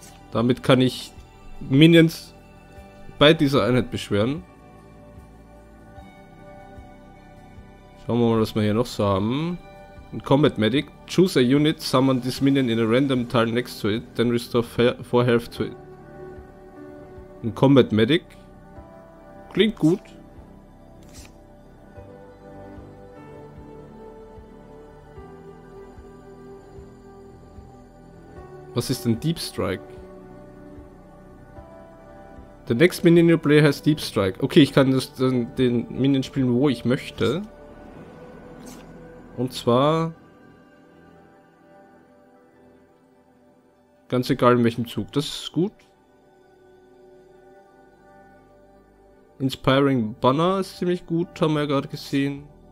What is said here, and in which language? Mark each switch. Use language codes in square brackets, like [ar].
[de] Damit kann ich Minions bei dieser Einheit beschwören. Schauen wir mal, was wir hier noch so haben. Ein Combat Medic. [en] Choose a unit, summon this minion in a random tile next to it, then restore 4 health to it. [de] Ein Combat Medic. Klingt gut. Was ist denn Deep Strike? [en] The next minion you play has Deep Strike. [de] Okay, ich kann das, den Minion spielen, wo ich möchte. Und zwar ganz egal in welchem Zug. Das ist gut. Inspiring Banner ist ziemlich gut, haben wir ja gerade gesehen.